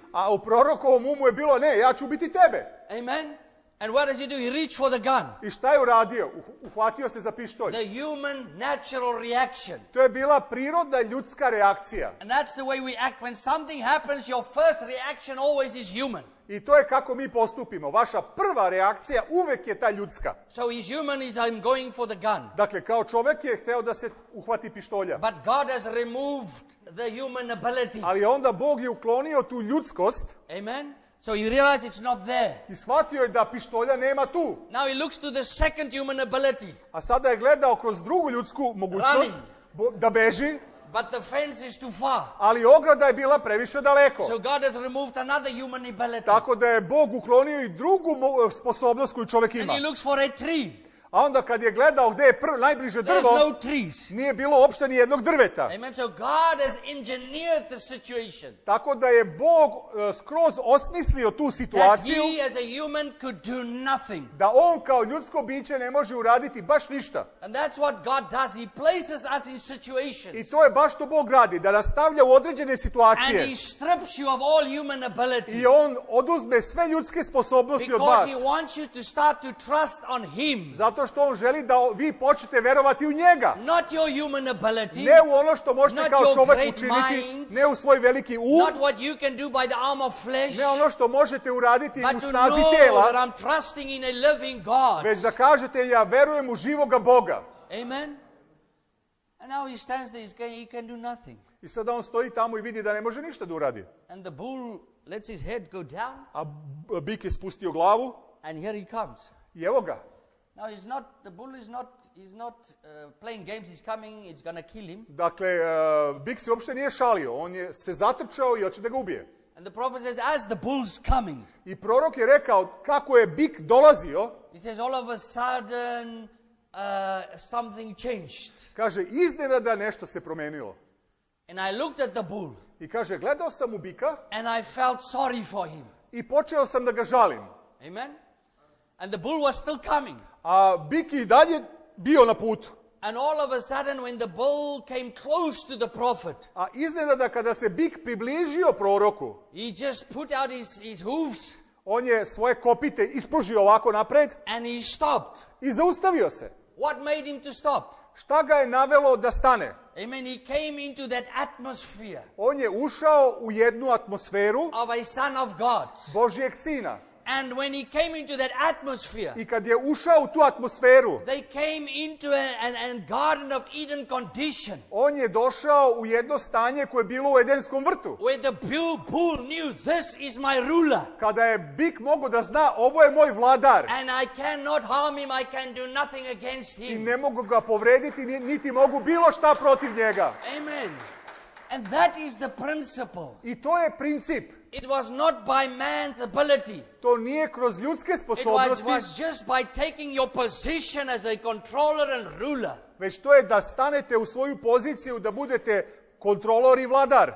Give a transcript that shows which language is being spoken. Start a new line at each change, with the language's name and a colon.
Serbian: A u prorokovom umu je bilo, ne, ja ću ubiti tebe.
English: Amen. And what does he do? He reached for the gun.
Serbian: I šta je uradio? Uhvatio se za pištolj.
English: The human natural reaction.
Serbian: To je bila prirodna ljudska reakcija.
English: And that's the way we act. When something happens, your first reaction always is human.
Serbian: I to je kako mi postupimo. Vaša prva reakcija uvek je ta ljudska.
English: So he's human, he's, I'm going for the gun.
Serbian: Dakle, kao čovjek je hteo da se uhvati pištolja.
English: But God has removed the human ability.
Serbian: Ali onda Bog je uklonio tu ljudskost.
English: Amen. So you realize it's not there.
Serbian: I shvatio je da pištolja nema tu.
English: Now he looks to the second human ability.
Serbian: A sada je gledao kroz drugu ljudsku mogućnost da beži.
English: But the fence is too far.
Serbian: Ali ograda je bila previše daleko.
English: So God has removed another human ability.
Serbian: Tako da je Bog uklonio i drugu sposobnost koju čovjek ima.
English: And he looks for a tree.
Serbian: A onda kad je gledao gdje je najbliže drvo,
English: no trees.
Serbian: Nije bilo uopšte ni jednog drveta.
English: Amen. So God has engineered the situation.
Serbian: Tako da je Bog skroz osmislio tu situaciju.
English: That he as a human could do nothing.
Serbian: Da on kao ljudsko biće ne može uraditi baš ništa.
English: And that's what God does. He places us in situations.
Serbian: I to je baš što Bog radi, da nas stavlja u određene situacije.
English: And he strips you of all human ability.
Serbian: I on oduzme sve ljudske sposobnosti
English: because
Serbian: od vas.
English: Because he wants you to start to trust on him.
Serbian: Zato što on želi da vi počnete vjerovati u njega.
English: Not your human ability,
Serbian: ne u ono što možete kao čovjek učiniti,
English: mind,
Serbian: ne u svoj veliki um,
English: not what you can do by the arm of flesh,
Serbian: ne ono što možete uraditi
English: but
Serbian: u snazi tijela,
English: that I'm trusting in a living God.
Serbian: Već da kažete ja vjerujem u živoga Boga.
English: Amen. And now he stands there, he can do nothing.
Serbian: I sada on stoji tamo i vidi da ne može ništa da uradi.
English: And the bull lets his head go down.
Serbian: A bik je spustio glavu.
English: And here he comes.
Serbian: I evo ga.
English: Now he's not, the bull is not, he's not playing games, he's coming, it's gonna kill him.
Serbian: Dakle, bik se uopšte nije šalio, on je se zatrčao i hoće da ga ubije.
English: And the prophet says, as the bull's coming.
Serbian: I prorok je rekao, kako je bik dolazio.
English: He says, all of a sudden, something changed.
Serbian: Kaže, iznenada nešto se promenilo.
English: And I looked at the bull.
Serbian: I kaže, gledao sam u bika.
English: And I felt sorry for him.
Serbian: I počeo sam da ga žalim.
English: Amen. And the bull was still coming.
Serbian: A bik i dalje bio na putu.
English: And all of a sudden when the bull came close to the prophet.
Serbian: A iznenada kada se bik približio proroku.
English: He just put out his hooves.
Serbian: On je svoje kopite ispružio ovako napred.
English: And he stopped.
Serbian: I zaustavio se.
English: What made him to stop?
Serbian: Šta ga je navelo da stane?
English: Amen. He came into that atmosphere.
Serbian: On je ušao u jednu atmosferu.
English: Of a son of God.
Serbian: Božijeg sina.
English: And when he came into that atmosphere,
Serbian: i kad je ušao u tu atmosferu,
English: they came into a Garden of Eden condition,
Serbian: on je došao u jedno stanje koje je bilo u Edenskom vrtu,
English: where the bull knew, this is my ruler,
Serbian: kada je bik mogao da zna, ovo je moj vladar,
English: and I cannot harm him, I can do nothing against him,
Serbian: i ne mogu ga povrediti, niti mogu bilo šta protiv njega.
English: Amen. And that is the principle.
Serbian: I to je princip.
English: It was not by man's ability.
Serbian: To nije kroz ljudske sposobnosti.
English: It was just by taking your position as a controller and ruler.
Serbian: Već to je da stanete u svoju poziciju da budete kontrolor i vladar.